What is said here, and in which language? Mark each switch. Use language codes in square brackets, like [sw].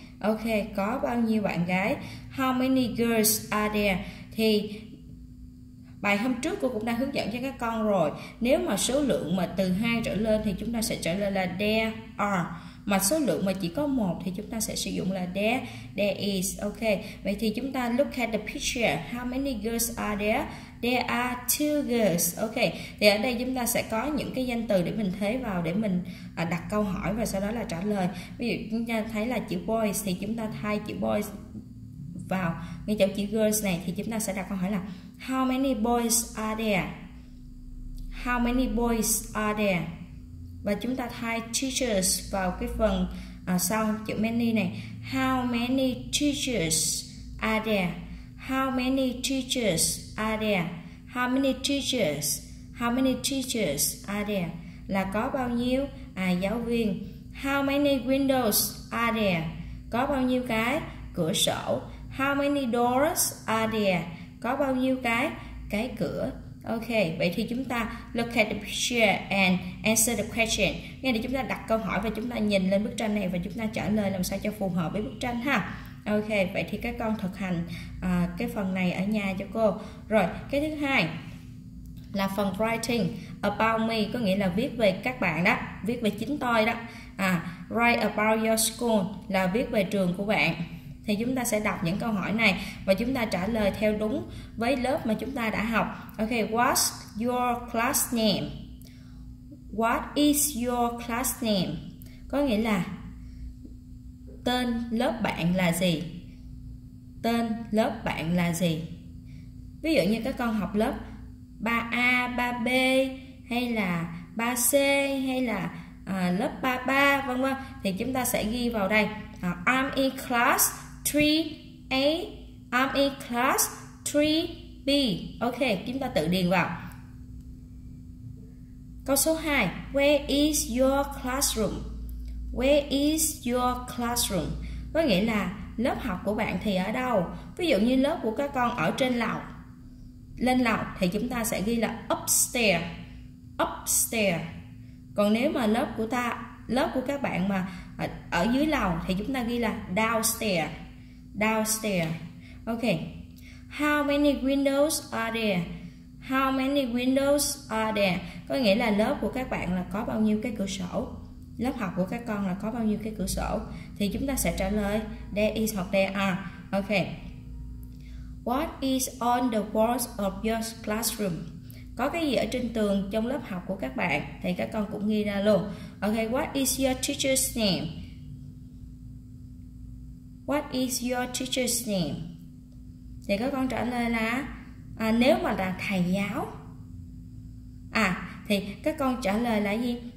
[vi] Ok, có bao nhiêu bạn gái? [en] How many girls are there? [vi] Thì bài hôm trước cô cũng đã hướng dẫn cho các con rồi. Nếu mà số lượng mà từ 2 trở lên thì chúng ta sẽ trở lên là there are. mà số lượng mà chỉ có một thì chúng ta sẽ sử dụng là there is. [en] Ok, [vi] vậy thì chúng ta [en] look at the picture, how many girls are there? There are two girls. [vi] Ok, thì ở đây chúng ta sẽ có những cái danh từ để mình thế vào để mình đặt câu hỏi và sau đó là trả lời. Ví dụ chúng ta thấy là chữ boys thì chúng ta thay chữ boys vào ngay chỗ chữ girls này thì chúng ta sẽ đặt câu hỏi là [en] how many boys are there? How many boys are there? [vi] Và chúng ta thay teachers vào cái phần sau chữ many này. [en] How many teachers are there? How many teachers are there? How many teachers? How many teachers are there? [vi] Là có bao nhiêu giáo viên? [en] How many windows are there? [vi] Có bao nhiêu cái cửa sổ? [en] How many doors are there? [vi] Có bao nhiêu cái cửa? [en] Ok, [vi] vậy thì chúng ta [en] look at the picture and answer the question. [vi] Nghe để chúng ta đặt câu hỏi và chúng ta nhìn lên bức tranh này và chúng ta trả lời làm sao cho phù hợp với bức tranh ha. Ok, vậy thì các con thực hành cái phần này ở nhà cho cô. Rồi, cái thứ hai là phần writing about me, có nghĩa là viết về các bạn đó, viết về chính tôi đó. [en] Write about your school [vi] là viết về trường của bạn. Thì chúng ta sẽ đọc những câu hỏi này và chúng ta trả lời theo đúng với lớp mà chúng ta đã học. [en] Ok, what's your class name? What is your class name? [vi] Có nghĩa là tên lớp bạn là gì? Tên lớp bạn là gì? Ví dụ như các con học lớp 3A, 3B hay là 3C hay là lớp 33 vân vân, thì chúng ta sẽ ghi vào đây. [en] I'm in class 3A, I'm in class 3B. [vi] Ok, chúng ta tự điền vào. Câu số 2, [en] where is your classroom? Where is your classroom? [vi] Có nghĩa là lớp học của bạn thì ở đâu? Ví dụ như lớp của các con ở trên lầu. Lên lầu thì chúng ta sẽ ghi là upstairs. Upstairs. Còn nếu mà lớp của các bạn mà ở dưới lầu thì chúng ta ghi là downstairs. [en] Downstairs. Ok. How many windows are there? How many windows are there? [vi] Có nghĩa là lớp của các bạn là có bao nhiêu cái cửa sổ? Lớp học của các con là có bao nhiêu cái cửa sổ? Thì chúng ta sẽ trả lời there is hoặc there are. Ok. [en] What is on the walls of your classroom? [vi] Có cái gì ở trên tường trong lớp học của các bạn? Thì các con cũng ghi ra luôn. Ok. [en] What is your teacher's name? What is your teacher's name? [vi] Thì các con trả lời là nếu mà là thầy giáo thì các con trả lời là gì?